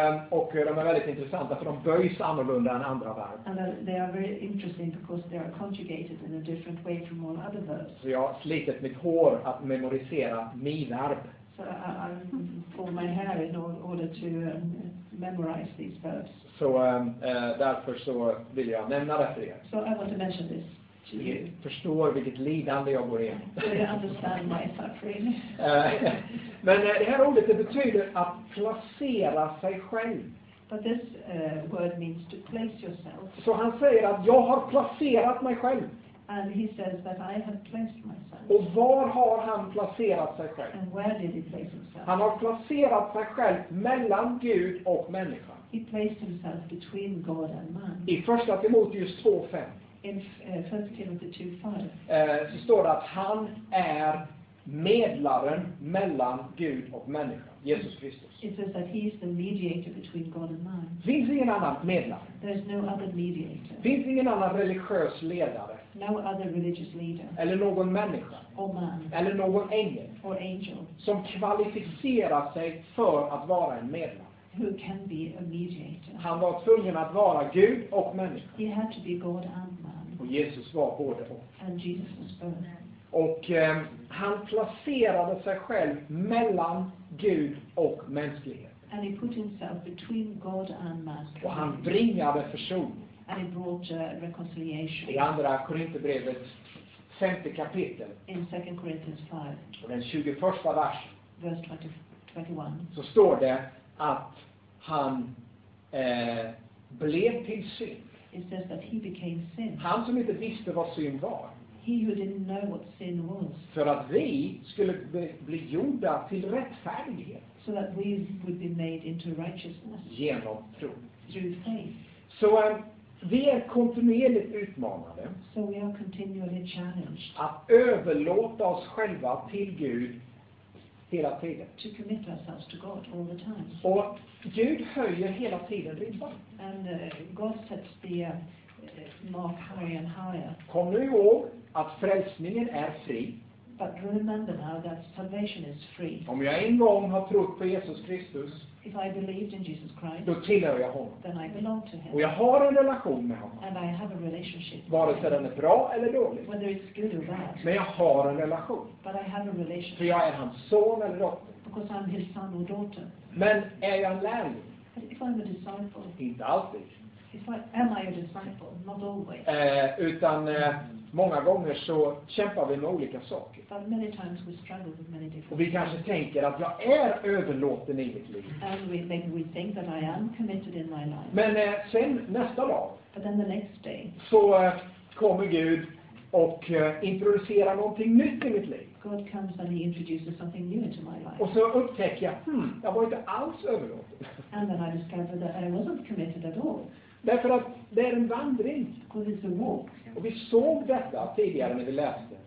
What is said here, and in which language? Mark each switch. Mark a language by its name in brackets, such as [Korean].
[Swedish] Och de är väldigt intressanta för de böjs annorlunda än andra verb. [English] And they are very interesting because they are conjugated in a different way from all other verbs. [Swedish] Så jag har slitit mitt hår att memorisera mi-verb. [English] So I pull my hair in order to memorize these verbs. [Swedish] Så därför så vill jag nämna det för er. [English] So I want to mention this. [Swedish] Jag förstår vilket lidande jag går igenom. [English] Understand my suffering. [Swedish] Men det här ordet det betyder att placera sig själv. [English] But this word means to place yourself. [Swedish] Så han säger att jag har placerat mig själv. [English] And he says that I have placed myself. [Swedish] Och var har han placerat sig själv? [English] And where did he place himself? [Swedish] Han har placerat sig själv mellan Gud och människan. [English] He placed himself between God and man. [Swedish] I första Timoteus 2:5. [English] In 1 Timothy 2:5. [Swedish] Så står det att han är medlaren mellan Gud och människa, Jesus Kristus. [English] It says that he is the mediator between God and man. [Swedish] Finns ingen annan medlare. [English] There's no other mediator. [Swedish] Finns ingen annan religiös ledare. [English] No other religious leader. [Swedish] Eller någon människa. [English] Or man. [Swedish] Eller någon ängel. [English] Or angel. [Swedish] Som kvalificerar sig för att vara en medlare. [English] Who can be a mediator. [Swedish] Han var tvungen att vara Gud och människa. [English] He had to be God and man. [Swedish] Och Jesus var både och. [English] And Jesus was both. [Swedish] Och han placerade sig själv mellan Gud och mänsklighet. [English] And he put himself between God and man. [Swedish] Och han bringade försoning. [English] And he brought reconciliation. [Swedish] I andra Korinthierbrevet 5 kapitel. [English] In 2 Corinthians 5. [Swedish] Och den 21 versen. [English] Verse 21. [Swedish] Så står det att han blev till synd. [English] It says that he became sin. [Swedish] Han som inte visste vad synd var. [English] He who didn't know what sin was. [Swedish] För att vi skulle bli gjorda till rättfärdighet. [English] So that we would be made into righteousness. [Swedish] Genom tro. [English] Through faith. [Swedish] Så vi är kontinuerligt utmanade. [English] So we are continually challenged. [Swedish] Att överlåta oss själva till Gud. Hela tiden. [English] To commit ourselves to God all the time. [Swedish] Och Gud höjer hela tiden ribban. [English] And God sets the mark higher and higher. [Swedish] Kom nu ihåg att frälsningen är fri. [English] But remember now that salvation is free. [Swedish] Om jag en gång har trott på Jesus Kristus. [English] If I believed in Jesus Christ. [Swedish] Då tillhör jag honom. [English] Then I belong to him. [Swedish] Och jag har en relation med honom. [English] And I have a relationship. [Swedish] Vare sig den är bra eller dålig. [English] Whether it's good or bad. [Swedish] Men jag har en relation. [English] But I have a relationship. [Swedish] För jag är hans son eller dotter. [English] Because I'm his son or daughter. [Swedish] Men är jag en lärling? [English] But if I'm a disciple. [Swedish] Inte alltid. [English] If I am I a disciple? Not always. [Swedish] Utan många gånger så kämpar vi med olika saker. [English] But many times we struggle with many different. [Swedish] Och vi kanske tänker att jag är överlåten i mitt liv. [English] And we maybe we think that I am committed in my life. [Swedish] Men sen nästa dag. [English] But then the next day. [Swedish] Så kommer Gud och introducerar någonting nytt i mitt liv. [English] God comes and he introduces something new into my life. [Swedish] Och så upptäcker jag, jag var inte alls överlåten. [English] And then I discover that I wasn't committed at all. [Swedish] Därför att det är en vandring. [English] Because it's a walk. [Swedish] Och vi såg detta tidigare när vi läste.